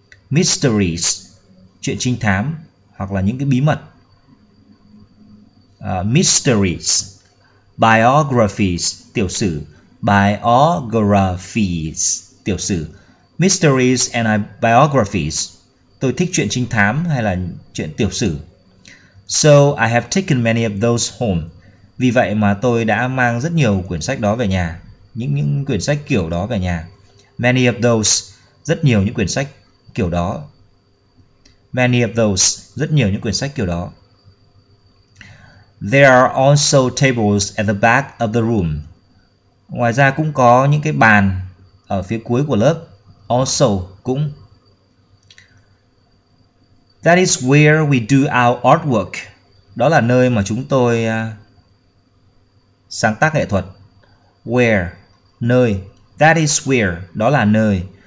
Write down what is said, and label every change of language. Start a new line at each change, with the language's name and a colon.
Vietnamese: Mysteries, chuyện trinh thám, hoặc là những cái bí mật. Mysteries, biographies, tiểu sử.
English: Biographies, tiểu sử. Mysteries and biographies.
Vietnamese: Tôi thích chuyện trinh thám hay là chuyện tiểu sử.
English: So I have taken many of those home.
Vietnamese: Vì vậy mà tôi đã mang rất nhiều quyển sách đó về nhà. Những quyển sách kiểu đó về nhà.
English: Many of those,
Vietnamese: rất nhiều những quyển sách kiểu đó.
English: Many of those,
Vietnamese: rất nhiều những quyển sách kiểu đó.
English: There are also tables at the back of the room.
Vietnamese: Ngoài ra cũng có những cái bàn ở phía cuối của lớp. Also, cũng.
English: That is where we do our artwork.
Vietnamese: Đó là nơi mà chúng tôi sáng tác nghệ thuật. Where, nơi.
English: That is where,
Vietnamese: đó là nơi.